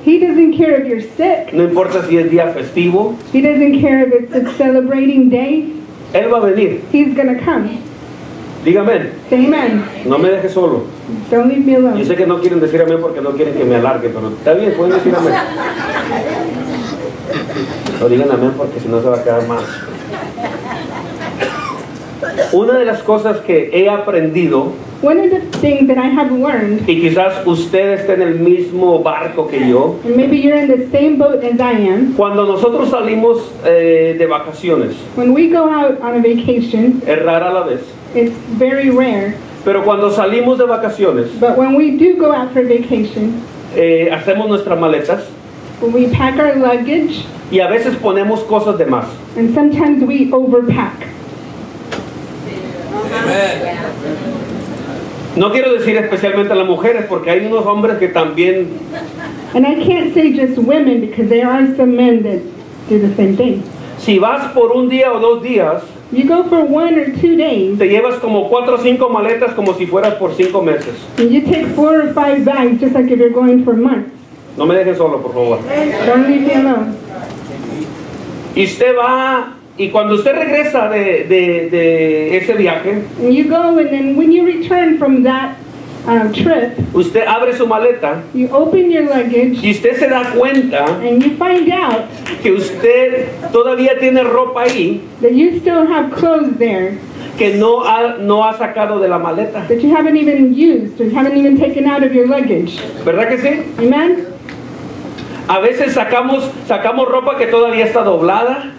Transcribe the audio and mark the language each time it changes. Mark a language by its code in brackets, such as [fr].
[en] He doesn't care if you're sick. [es] No importa si es día festivo. [en] He doesn't care if it's a celebrating day. [es] Él va a venir. [en] He's going to come. [es] Dígame. [en] Say amen. [es] No me dejes solo. [en] Don't leave me alone. [es] Yo sé que no quieren decir amén porque no quieren que me alargue, pero está bien, pueden decir amén. No digan amén porque si no se va a quedar más. Una de las cosas que he aprendido, [en] one of the things that I have learned, [es] y quizás usted esté en el mismo barco que yo, [en] maybe you're in the same boat as I am, [es] cuando nosotros salimos de vacaciones, [en] when we go out on a vacation, [es] es rara la vez, [en] it's very rare, [es] pero cuando salimos de vacaciones, [en] but when we do go out for vacation, [es] hacemos nuestras maletas, [en] when we pack our luggage, [es] y a veces ponemos cosas de más, [en] and sometimes we overpack. [es] No quiero decir especialmente a las mujeres porque hay unos hombres que también. [en] And I can't say just women because there are some men that do the same thing. [es] Si vas por un día o dos días, [en] you go for one or two days, [es] te llevas como cuatro o cinco maletas como si fueras por cinco meses. [en] And you take four or five bags just like if you're going for months. [es] No me dejes solo, por favor. [en] Don't leave me alone. [es] Y usted va. Y cuando usted regresa de ese viaje, [en] you go and then when you return from that trip, [es] usted abre su maleta, [en] you open your luggage, [es] y usted se da cuenta, [en] and you find out, [es] que usted todavía tiene ropa ahí, [en] that you still have clothes there, [es] que no ha sacado de la maleta, [en] that you haven't even used, or you haven't even taken out of your luggage. [es] ¿Verdad que sí? [en] Amen. [es] A veces sacamos ropa que todavía está doblada.